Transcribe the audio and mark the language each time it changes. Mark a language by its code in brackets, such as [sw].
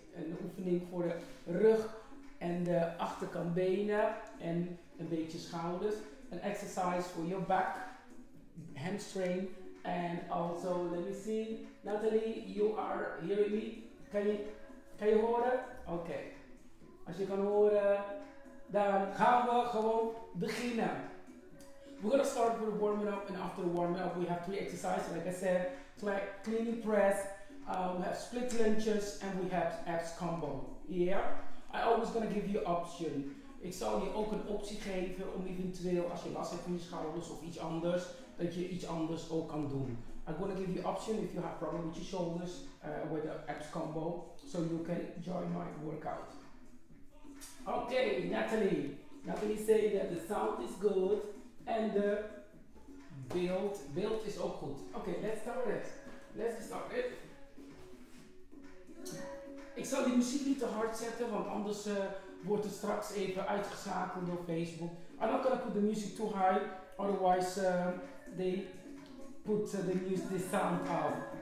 [nl] Een oefening voor de rug en de achterkant benen en een beetje schouders. [en] Een exercise voor your back, hamstring. En also, let me see, Natalie, you are hearing me. [nl] Kan je horen? Oké. Als je kan horen, dan gaan we gewoon beginnen. [en] We're gonna start with a warming up, and after the warming up, we have 3 exercises. Like I said, like cleaning press, we have split lunges, and we have abs combo. Yeah, I always gonna give you option. [nl] Ik zal je ook een optie geven om eventueel als je last hebt van je schouders of iets anders, dat je iets anders ook kan doen. [en] I'm gonna give you option if you have problem with your shoulders with the abs combo, so you can join my workout. Okay, Natalie. Natalie say that the sound is good. [nl] En de beeld is ook goed. Oké, [en] let's start it. [nl] Ik zal die muziek niet te hard zetten, want anders wordt het straks even uitgeschakeld door Facebook. [en] I'm not gonna put the music too high, otherwise they put the sound out.